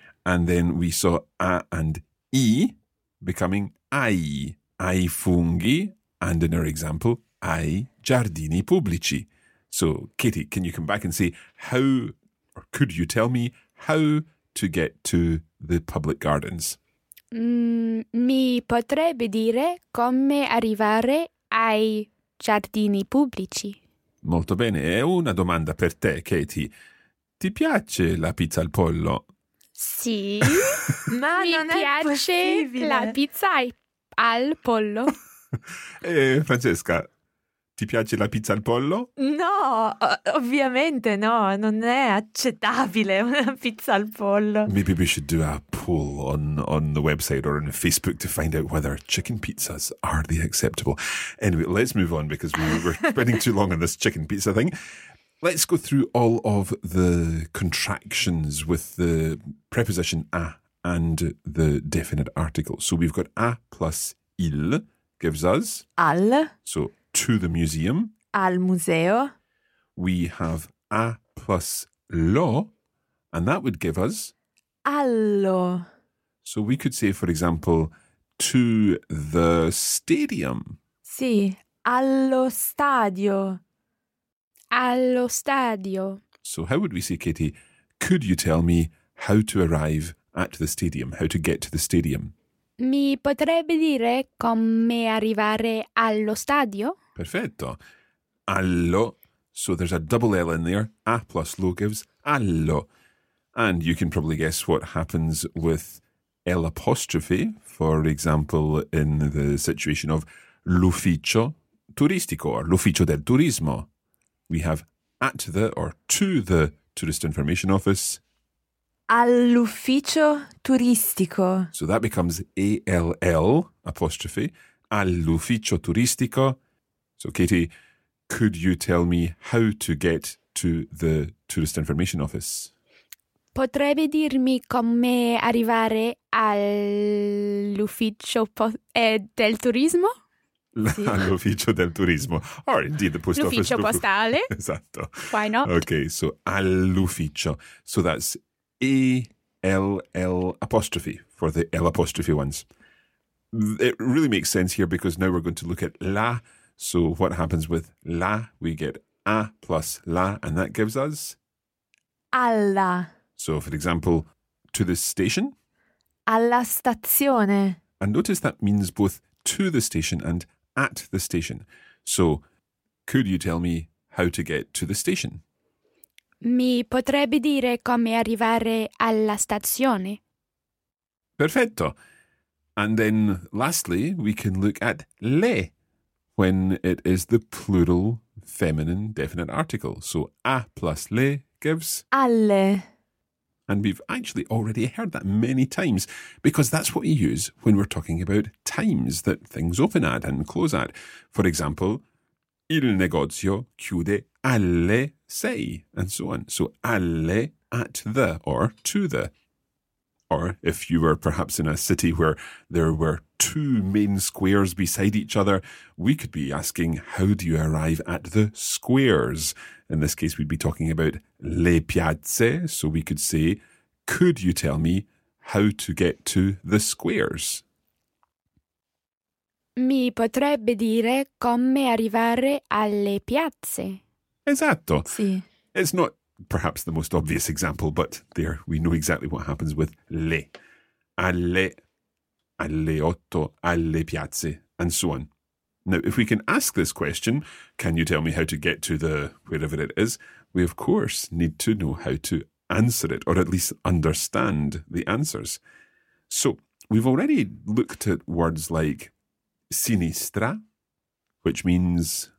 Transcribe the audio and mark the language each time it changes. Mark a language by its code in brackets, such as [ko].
[en] And then we saw a and I becoming ai. [it] Ai funghi, [en] and in our example, [it] ai giardini pubblici. [en] So, Katie, can you come back and say how, or could you tell me how to get to the public gardens? [it] Mi potrebbe dire come arrivare ai giardini pubblici. Molto bene, è una domanda per te, Katie. Ti piace la pizza al pollo? Sì, ma non è possibile. Mi piace la pizza al pollo. Francesca, ti piace la pizza al pollo? No, ovviamente no, non è accettabile una pizza al pollo. [en] Maybe we should do a poll on the website or on Facebook to find out whether chicken pizzas are the acceptable. Anyway, let's move on because we're spending too long on this chicken pizza thing. Let's go through all of the contractions with the preposition a and the definite article. So we've got a plus il gives us [it] al. [en] So to the museum. [it] Al museo. [en] We have a plus lo, and that would give us [it] allo. [en] So we could say, for example, to the stadium. [it] Sì, allo stadio. Allo stadio. [en] So how would we say, Katie, could you tell me how to arrive at the stadium, how to get to the stadium? [it] Mi potrebbe dire come arrivare allo stadio? Perfetto. Allo. [en] So there's a double L in there. A plus lo gives allo. And you can probably guess what happens with L apostrophe, for example, in the situation of [it] l'ufficio turistico [en] or [it] l'ufficio del turismo. [en] We have at the or to the tourist information office. [it] All'ufficio turistico. [en] So that becomes A-L-L apostrophe. [it] All'ufficio turistico. [en] So Katie, could you tell me how to get to the tourist information office? [it] Potrebbe dirmi come arrivare all'ufficio del turismo? All'ufficio del turismo. [en] Or indeed the post office. [it] L'ufficio postale. Esatto. [en] Why not? Okay, so all'ufficio. So that's A-L-L apostrophe for the L apostrophe ones. it really makes sense here because now we're going to look at la. So what happens with la? We get a plus la, and that gives us [it] alla. [en] So, for example, to the station. [it] Alla stazione. [en] And notice that means both to the station and at the station. So, could you tell me how to get to the station? [it] Mi potrebbe dire come arrivare alla stazione. Perfetto. [en] And then, lastly, we can look at le, when it is the plural feminine definite article. So, a plus le gives [it] alle. [en] And we've actually already heard that many times, because that's what we use when we're talking about times that things open at and close at. For example, [it] il negozio chiude alle sei, [en] and so on. So alle, at the, or to the. Or if you were perhaps in a city where there were two main squares beside each other, we could be asking, how do you arrive at the squares? In this case, we'd be talking about [it] le piazze. [en] So we could say, could you tell me how to get to the squares? [it] Mi potrebbe dire come arrivare alle piazze. Esatto. Sì. [en] It's not perhaps the most obvious example, but there we know exactly what happens with le. [it] Alle, alle otto, alle piazze, [en] and so on. Now, if we can ask this question, can you tell me how to get to the wherever it is, we of course need to know how to answer it, or at least understand the answers. So, we've already looked at words like sinistra, which means